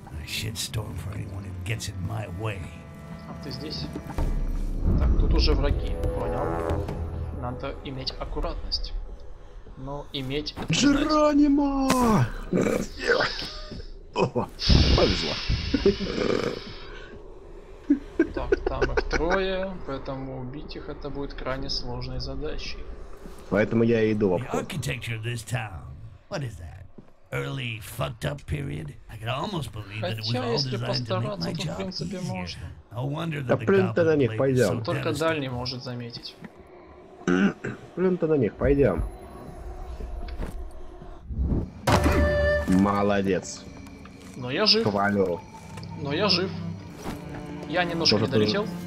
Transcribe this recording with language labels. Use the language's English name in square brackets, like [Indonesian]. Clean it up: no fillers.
[English] A shitstorm for anyone who gets in my way. [Russian] А ты здесь? Так, тут уже враги, понял? Надо иметь аккуратность. Но иметь... Джеранимо! О, повезло. Так, там их трое, поэтому убить их это будет крайне сложной задачей. Поэтому я и иду в обход. [English] Architecture of this town. What is that? Early fucked up period? I could almost believe that it was all designed to make my job easier. [Russian] Да плюнь-то на них, пойдем. Только дальний может заметить. Плюнь-то на них, пойдем. Молодец. Но я жив. Хвалю. Но я жив. Я немножко не долетел, ты...